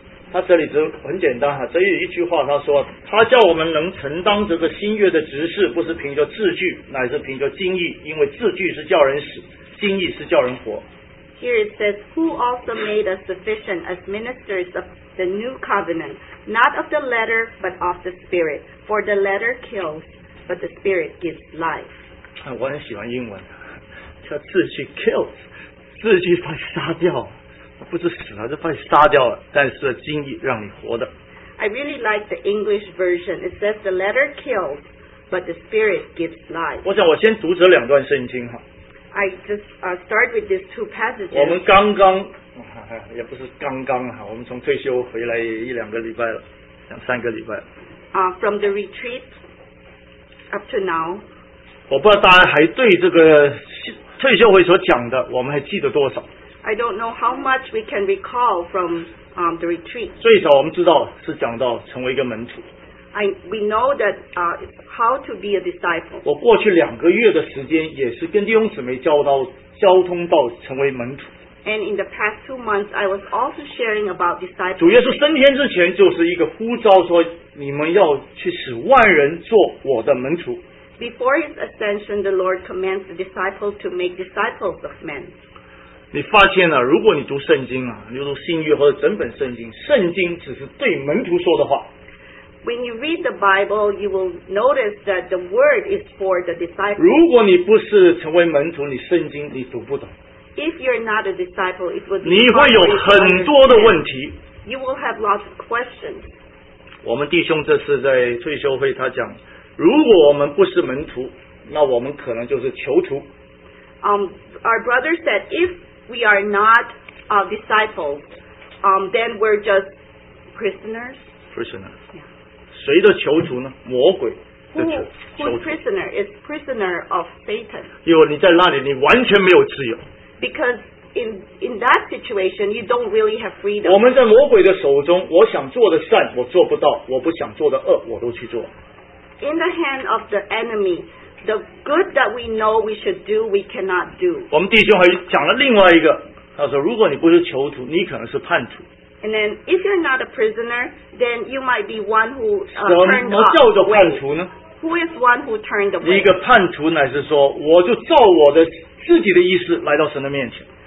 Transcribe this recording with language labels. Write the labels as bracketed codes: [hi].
[zh] 他这里只很简单哈，只有一句话，他说他叫我们能承担这个新约的职事，不是凭着字句，乃是凭着经意，因为字句是叫人死，经意是叫人活。 [en] Here it says, who also made us sufficient as ministers of the new covenant, not of the letter, but of the spirit. For the letter kills, but the spirit gives life. [zh] 我很喜欢英文，叫字句 kills, 字句把你杀掉。不是死了，是把你杀掉了，但是经意让你活的。 [en] I really like the English version. It says the letter kills, but the spirit gives life. [zh] 我想我先读这两段圣经哈。 [en] I just start with these two passages. [zh] 我们刚刚，也不是刚刚哈，我们从退休回来一两个礼拜了，两三个礼拜了。 [en] From the retreat up to now. [zh] 我不知道大家还对这个退休会所讲的，我们还记得多少。 [en] I don't know how much we can recall from the retreat. [zh] 最少我们知道是讲到成为一个门徒。 [en] We know that how to be a disciple. [zh] 我过去两个月的时间也是跟弟兄姊妹交通到成为门徒。 [en] And in the past 2 months, I was also sharing about disciples. [zh] 主耶稣升天之前就是一个呼召，说你们要去使万人做我的门徒。 [en] Before his ascension, the Lord commands the disciples to make disciples of men. [zh] 你发现了，如果你读圣经啊，你读新约或者整本圣经，圣经只是对门徒说的话。 [en] When you read the Bible, you will notice that the word is for the disciples. [zh] 如果你不是成为门徒，你圣经你读不懂。 [en] If you're not a disciple, it would be [zh] 你会有很多的问题。 [en] You will have lots of questions. [zh] 我们弟兄这次在退休会，他讲，如果我们不是门徒，那我们可能就是囚徒。 [en] Our brother said, if we are not disciples, then we're just prisoners. Prisoner. Yeah. [zh] 谁的囚徒呢？魔鬼的囚徒。 [en] Who's prisoner? It's prisoner of Satan. [zh] 因为你在那里，你完全没有自由。 [en] Because in that situation, you don't really have freedom. [zh] 我们在魔鬼的手中，我想做的善我做不到，我不想做的恶我都去做。 [en] In the hand of the enemy. The good that we know we should do, we cannot do. [zh] 我们弟兄还讲了另外一个，他说，如果你不是囚徒，你可能是叛徒。 [en] And then, if you're not a prisoner, then you might be one who turned away. [zh] 什么叫做叛徒呢？ [en] Who is one who turned away? [zh] 一个叛徒乃是说，我就照我的自己的意思来到神的面前。